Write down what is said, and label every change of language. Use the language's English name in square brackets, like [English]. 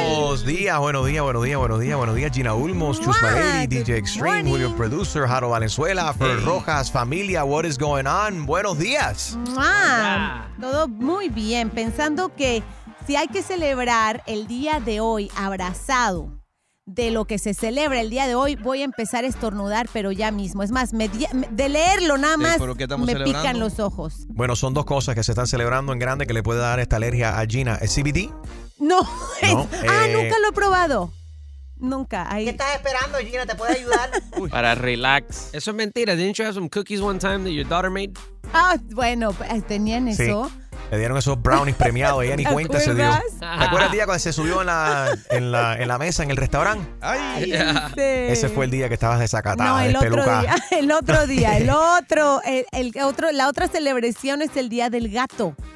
[Spanish] Buenos días, buenos días, buenos días, buenos días, buenos días. [English] Gina Ulmos, Chusma Lady, DJ Extreme, with your producer, Jaro Valenzuela, Fer Rojas, familia, what is going on? [Spanish] Buenos días. Todo muy bien. Pensando que si hay que celebrar el día de hoy abrazado, de lo que se celebra el día de hoy, voy a empezar a estornudar, pero ya mismo. Es más, de leerlo nada más, me pican los ojos. Bueno, son dos cosas que se están celebrando en grande que le puede dar esta alergia a Gina. ¿Es CBD? No. Nunca lo he probado. Nunca. Ahí. ¿Qué estás esperando, Gina? ¿Te puede ayudar? Para relax. Eso es mentira. [English] ¿Didn't you have some cookies one time that your daughter made? [Spanish] Ah, bueno, tenían eso. Sí. Le dieron esos brownies premiados, ella ni cuenta se dio. ¿Te acuerdas el día cuando se subió en la mesa en el restaurante? Ay, sí. Ese fue el día que estabas desacatada. No, la otra celebración es el día del gato.